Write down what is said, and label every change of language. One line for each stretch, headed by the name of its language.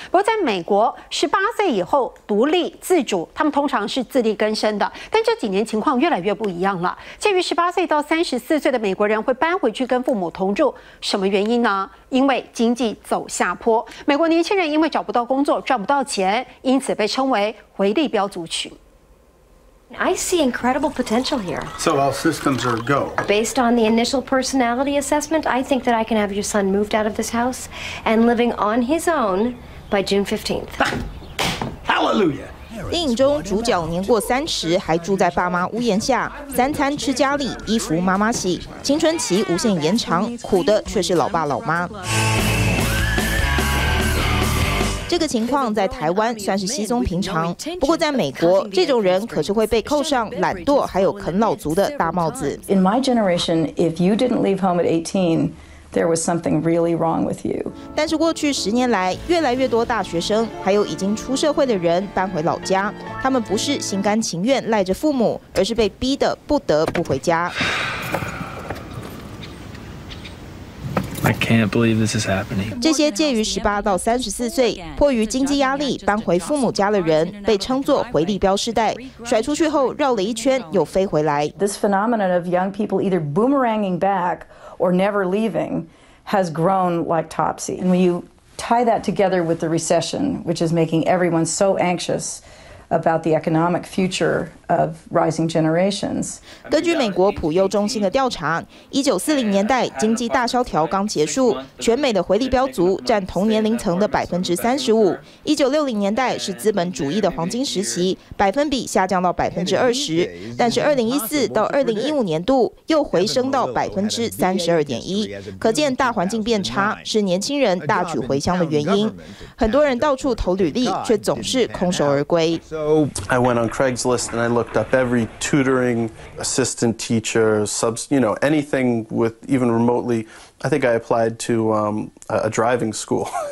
Chinese: 不过在美国，18岁以后独立自主，他们通常是自力更生的。但这几年情况越来越不一样了。介于18岁到34岁的美国人会搬回去跟父母同住，什么原因呢？因为经济走下坡，美国年轻人因为找不到工作、赚不到钱，因此被称为回力标族群。
English: I see incredible potential here. So all systems are go. Based on the initial personality assessment, I think that I can have your son moved out of this house and living on his own by June 15th. Hallelujah.
Chinese: 电影中主角年过30，还住在爸妈屋檐下，三餐吃家里，衣服妈妈洗，青春期无限延长，苦的却是老爸老妈。这个情况在台湾算是稀松平常，不过在美国，这种人可是会被扣上懒惰还有啃老族的大帽子。
English: In my generation, if you didn't leave home at 18, there was something really wrong with you.
Chinese: 但是过去10年来，越来越多大学生还有已经出社会的人搬回老家，他们不是心甘情愿赖着父母，而是被逼得不得不回家。
English: I can't believe this is happening.
Chinese: 这些介于18到34岁，迫于经济压力搬回父母家的人，被称作回力标世代。甩出去后绕了一圈又飞回来。
English: This phenomenon of young people either boomeranging back or never leaving has grown like topsy. And when you tie that together with the recession, which is making everyone so anxious. About the economic future of rising generations.
Chinese: 根据美国普悠中心的调查，1940年代经济大萧条刚结束，全美的回力标族占同年龄层的35%。 1960年代是资本主义的黄金时期，百分比下降到20%。但是2014到2015年度又回升到32.1%。可见大环境变差是年轻人大举回乡的原因。很多人到处投履历，却总是空手而归。
English: So I went on Craigslist and I looked up every tutoring, assistant teacher, subs, you know, anything with even remotely. I think I applied to a driving school.